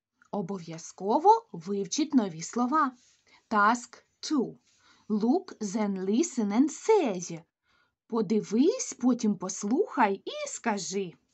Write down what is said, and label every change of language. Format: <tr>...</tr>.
<uk>Обов'язково вивчіть нові слова.</uk> <en>Task 2. Look, then listen and say.</en> <uk>Подивись, потім послухай і скажи.</uk>